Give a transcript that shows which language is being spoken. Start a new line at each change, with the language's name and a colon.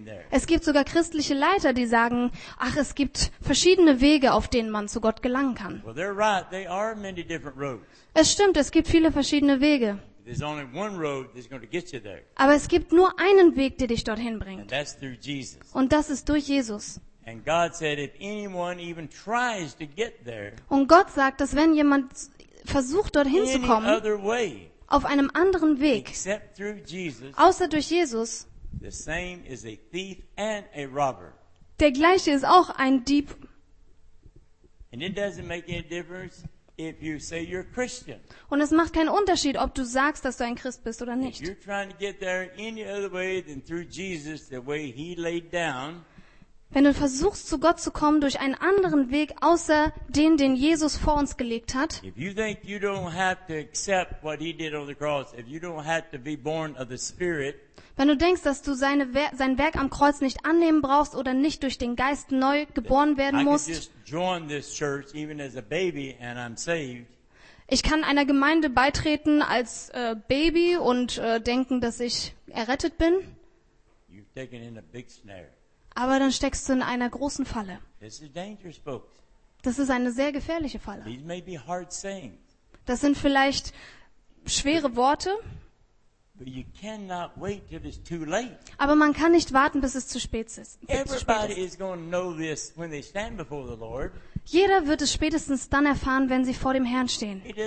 German: Es gibt sogar christliche Leiter, die sagen, ach, es gibt verschiedene Wege, auf denen man zu Gott gelangen kann.
English: Well, they're right. They are many different roads.
German: Es stimmt, es gibt viele verschiedene Wege.
English: There's only one road that's going to get you there.
German: Aber es gibt nur einen Weg, der dich dorthin bringt.
English: And that's through Jesus.
German: Und das ist durch Jesus.
English: And God said, if anyone even tries to get there,
German: und Gott sagt, dass wenn jemand versucht, dorthin zu kommen, auf einem anderen Weg,
English: except through Jesus,
German: außer durch Jesus,
English: the same is a thief and a robber.
German: Der gleiche ist auch ein Dieb.
English: And it doesn't make any difference if you say you're Christian.
German: Und es macht keinen Unterschied, ob du sagst, dass du ein Christ bist oder nicht.
English: If you're trying to get there any other way than through Jesus, the way he laid down,
German: Wenn du versuchst, zu Gott zu kommen durch einen anderen Weg, außer den, den Jesus vor uns gelegt hat, wenn du denkst, dass du sein Werk am Kreuz nicht annehmen brauchst oder nicht durch den Geist neu geboren werden musst,
English: I can just join this church even as a baby and I'm saved.
German: Ich kann einer Gemeinde beitreten als Baby und denken, dass ich errettet bin.
English: You've taken in a big snare.
German: Aber dann steckst du in einer großen Falle.
English: This is dangerous, folks.
German: Das ist eine sehr gefährliche Falle.
English: These may be hard sayings.
German: Das sind vielleicht schwere Worte.
English: But you cannot wait till it's too late.
German: Aber man kann nicht warten, bis es zu spät ist.
English: Everybody is going to know this when they stand before the Lord.
German: Jeder wird es spätestens dann erfahren, wenn sie vor dem Herrn stehen.